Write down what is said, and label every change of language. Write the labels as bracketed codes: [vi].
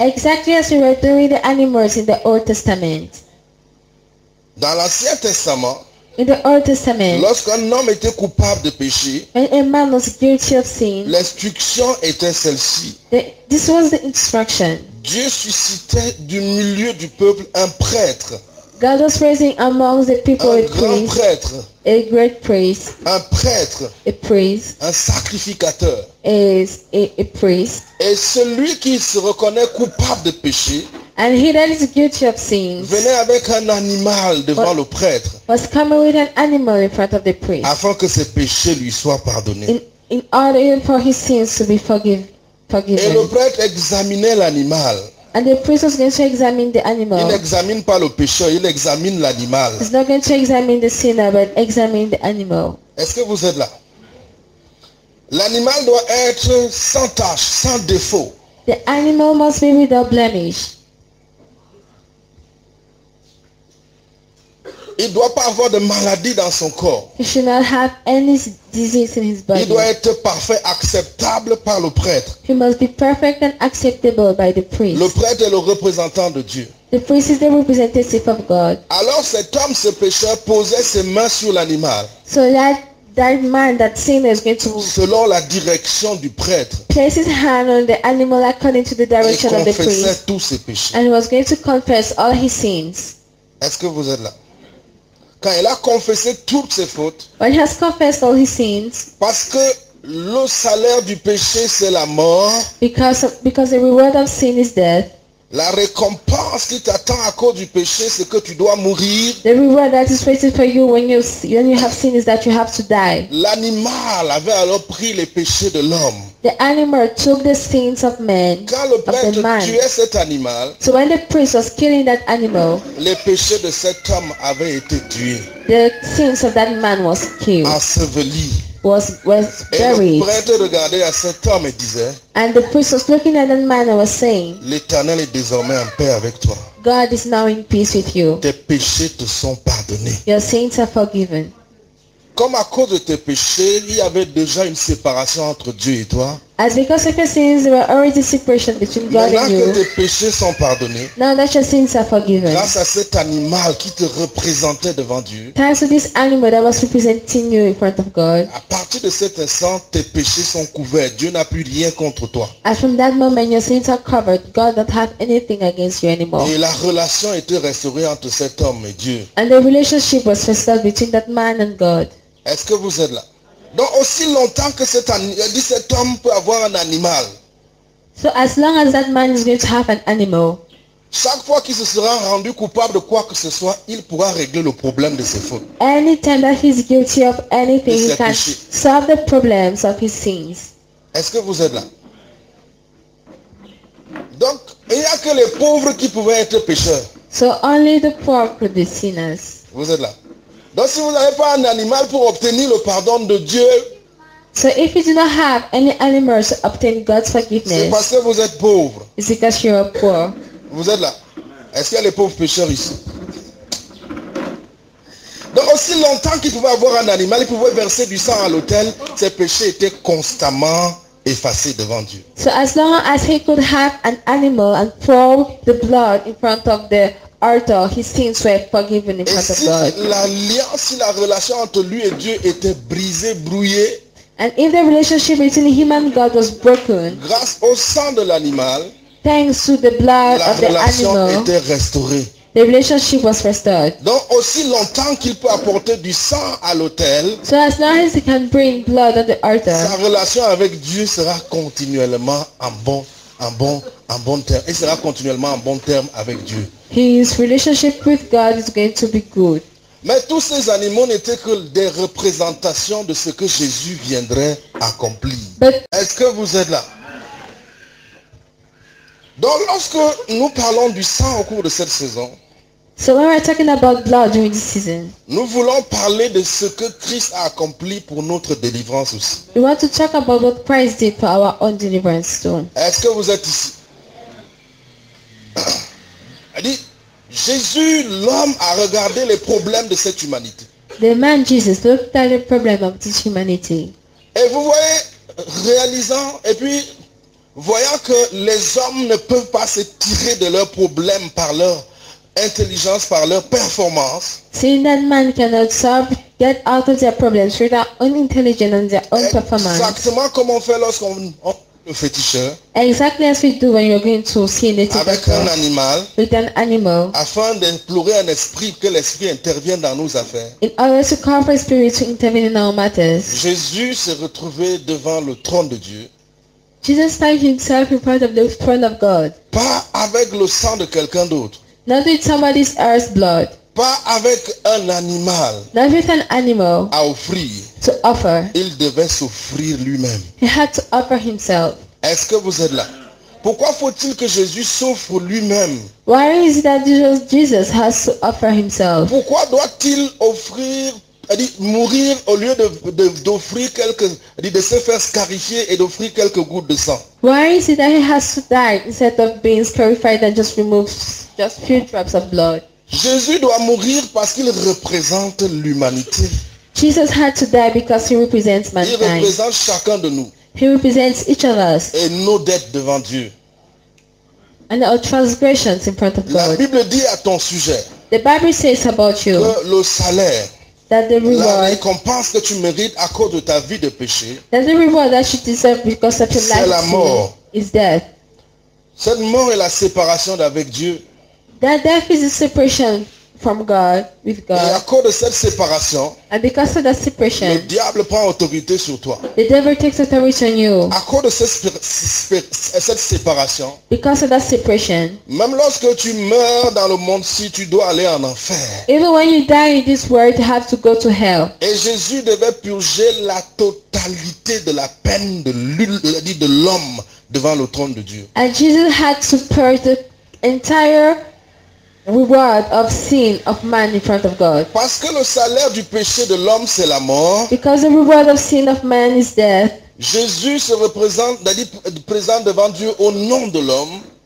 [en] Exactly as we were doing the animals in the Old Testament. [fr] Dans l'Ancien Testament, [en] in the Old Testament, [fr] lorsqu'un homme était coupable de péché, [en] when a man was guilty of sin, [fr] l'instruction était celle-ci. [en] This was the instruction. [fr] Dieu suscitait du milieu du peuple un prêtre. [en] God was raising among the people [fr] un grand [en] priest, [fr] prêtre. [en] A great priest. [fr] Un prêtre. [en] A priest. [fr] Un sacrificateur. [en] A priest. [fr] Et celui qui se reconnaît coupable de péché, [en] and he that is guilty of sins, [fr] venait avec un animal devant le prêtre, [en] was coming with an animal in front of the priest, [fr] afin que ses péchés lui soient pardonnés. [en] In order for his sins to be forgiven. [fr] Et le prêtre examinait l'animal. [en] And the priest was going to examine the animal. [fr] Il n'examine pas le pécheur, il examine l'animal. [en] He's not going to examine the sinner, but examine the animal. [fr] Est-ce que vous êtes là? L'animal doit être sans tache, sans défaut. [en] The animal must be without blemish. [fr] Il ne doit pas avoir de maladie dans son corps. [en] He should not have any disease in his body. [fr] Il doit être parfait, acceptable par le prêtre. [en] He must be perfect and acceptable by the priest. [fr] Le prêtre est le représentant de Dieu. [en] The priest is the representative of God. [fr] Alors cet homme, ce pécheur, posait ses mains sur l'animal. [en] So that man, that sinner, is going to, [fr] selon la direction du prêtre, [en] place his hand on the animal according to the direction of the priest. [fr] Et confessait tous ses péchés. [en] And he was going to confess all his sins. [fr] Est-ce que vous êtes là? Quand il a confessé toutes ses fautes, [en] when he has confessed all his sins, [fr] parce que le salaire du péché c'est la mort, [en] because the reward of sin is death, [fr] la récompense qui t'attend à cause du péché c'est que tu dois mourir, [en] the reward that is waiting for you when you have sin is that you have to die. [fr] L'animal avait alors pris les péchés de l'homme. [en] The animal took the sins of man. [fr] Quand le prêtre tuait cet animal, [en] so when the priest was killing that animal, [fr] les péchés de cet homme avaient été tués. [en] The sins of that man was killed. [fr] Enseveli. [en] Was buried. [fr] Et le prêtre regardait à cet homme et disait, [en] and the priest was looking at that man and was saying, [fr] l'Éternel est désormais en paix avec toi. [en] God is now in peace with you. [fr] Tes péchés te sont pardonnés. [en] Your sins are forgiven. [fr] Comme à cause de tes péchés, il y avait déjà une séparation entre Dieu et toi. [en] As because of your sins, there were already separation between God and you. [fr] Maintenant que tes péchés sont pardonnés, [en] now that your sins are forgiven, [fr] grâce à cet animal qui te représentait devant Dieu, [en] thanks to this animal that was representing you in front of God, [fr] à partir de cet instant, tes péchés sont couverts. Dieu n'a plus rien contre toi. [en] As from that moment, your sins are covered. God doesn't have anything against you anymore. [fr] Et la relation était restaurée entre cet homme et Dieu. [en] And the relationship was restored between that man and God. [fr] Est-ce que vous êtes là? Donc aussi longtemps que cet homme peut avoir un animal. [en] So as long as that man is going to have an animal, [fr] chaque fois qu'il se sera rendu coupable de quoi que ce soit, il pourra régler le problème de ses fautes. [en] Anytime that he's guilty of anything, he can solve the problems of his sins. [fr] Est-ce que vous êtes là? Donc il n'y a que les pauvres qui pouvaient être pécheurs. [en] So only the poor could be sinners. [fr] Vous êtes là? Donc si vous n'avez pas un animal pour obtenir le pardon de Dieu, [en] so if you do not have any animals to obtain God's forgiveness, [fr] c'est parce que vous êtes pauvre. [en] It's because you are poor. [fr] Vous êtes là. Est-ce qu'il y a les pauvres pécheurs ici? Donc aussi longtemps qu'il pouvait avoir un animal, il pouvait verser du sang à l'autel, ses péchés étaient constamment effacés devant Dieu. [en] So as long as he could have an animal and pour the blood in front of the Arthur, his sins were forgiven in front [fr] si [en] of God. [fr] L'alliance, si la relation entre lui et Dieu était brisée, brouillée, [en] and if the relationship between him and God was broken, [fr] grâce au sang de l'animal, [en] thanks to the blood of the animal, [fr] la relation était restaurée. [en] The relationship was restored. [fr] Donc aussi longtemps qu'il peut apporter du sang à l'autel, [en] so as long as he can bring blood on the altar, [fr] sa relation avec Dieu sera continuellement en bon terme. Il sera continuellement en bon terme avec Dieu. [en] His relationship with God is going to be good. [fr] Mais tous ces animaux n'étaient que des représentations de ce que Jésus viendrait accomplir. Est-ce que vous êtes là? Donc lorsque nous parlons du sang au cours de cette saison, [en] so when we're talking about blood during this season, [fr] nous voulons parler de ce que Christ a accompli pour notre délivrance aussi. [en] We want to talk about what Christ did for our own deliverance too. [fr] Est-ce que vous êtes ici? Elle dit, Jésus, l'homme, a regardé les problèmes de cette humanité. [en] The man Jesus looked at the problem of this humanity. [fr] Et vous voyez, réalisant, et puis voyant que les hommes ne peuvent pas se tirer de leurs problèmes par leur intelligence, par leur performance. [en] Seeing that man cannot solve, get out of their problems through their own intelligence and their own performance. [fr] Exactement comme on fait lorsqu'on le féticheur. [en] Exactly as we do when you're going to see a native [fr] avec un animal, [en] with an animal, [fr] afin d'implorer un esprit que l'esprit intervienne dans nos affaires. [en] In order to call for spirit to intervene in our matters. [fr] Jésus s'est retrouvé devant le trône de Dieu. [en] Jesus found himself in front of the throne of God. [fr] Pas avec le sang de quelqu'un d'autre. [en] Not with somebody's earth blood. [fr] Pas avec un animal. [en] Not with an animal. [fr] À offrir. [en] To offer. [fr] Il devait s'offrir lui-même. [en] He had to offer himself. [fr] Est-ce que vous êtes là? Pourquoi faut-il que Jésus s'offre lui-même? [en] Why is it that Jesus has to offer himself? [fr] Pourquoi doit-il offrir, mourir au lieu d'offrir quelques, de se faire scarifier et d'offrir quelques gouttes de sang? [en] Why is it that he has to die instead of being scarified and just remove just few drops of blood? [fr] Jésus doit mourir parce qu'il représente l'humanité. [en] Jesus had to die because he represents mankind. [fr] Il représente chacun de nous. [en] He represents each of us. [fr] Et nos dettes devant Dieu. [en] And our transgressions in front of God. [fr] La Bible dit à ton sujet. [en] The Bible says about you. [fr] Que le salaire. [en] That the reward. [fr] La récompense que tu mérites à cause de ta vie de péché. [en] That the reward that you deserve because of your life. [fr] C'est la mort. [en] Is death. [fr] Cette mort est la séparation d'avec Dieu. [en] That death is a separation from God, with God. [fr] Et à cause de cette séparation, [en] and because of that separation, [fr] le diable prend autorité sur toi. [en] The devil takes authority on you. [fr] À cause de cette séparation, [en] because of that separation, [fr] même lorsque tu meurs dans le monde, si tu dois aller en enfer, [en] even when you die in this world, you have to go to hell. [fr] Et Jésus devait purger la totalité de la peine de l'homme devant le trône de Dieu. [en] And Jesus had to purge the entire reward of sin of man in front of God. [fr] Parce que le salaire du péché de l'homme c'est la mort. [en] Because the reward of sin of man is death. [fr] Jésus se présente devant Dieu au nom de l'homme.